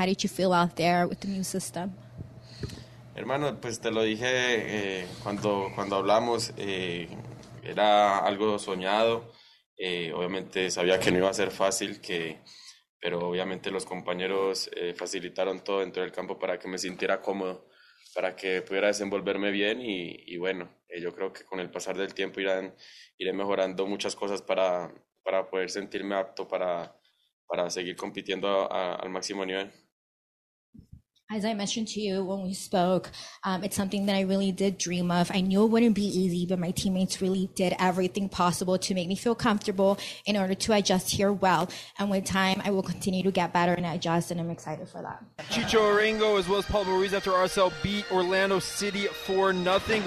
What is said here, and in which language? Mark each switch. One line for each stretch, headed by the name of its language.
English: How did you feel out there with the new system?
Spanish: Hermano, pues te lo dije cuando hablamos, era algo soñado. Obviamente sabía que no iba a ser fácil, pero obviamente los compañeros facilitaron todo dentro del campo para que me sintiera cómodo, para que pudiera desenvolverme bien. Y bueno, yo creo que con el pasar del tiempo iré mejorando muchas cosas para poder sentirme apto para seguir compitiendo al máximo nivel.
English: As I mentioned to you when we spoke, it's something that I really did dream of. I knew it wouldn't be easy, but my teammates really did everything possible to make me feel comfortable in order to adjust here well. And with time, I will continue to get better and adjust, and I'm excited for that. Chicho Arango as well as Pablo Ruiz after RSL beat Orlando City 4-0.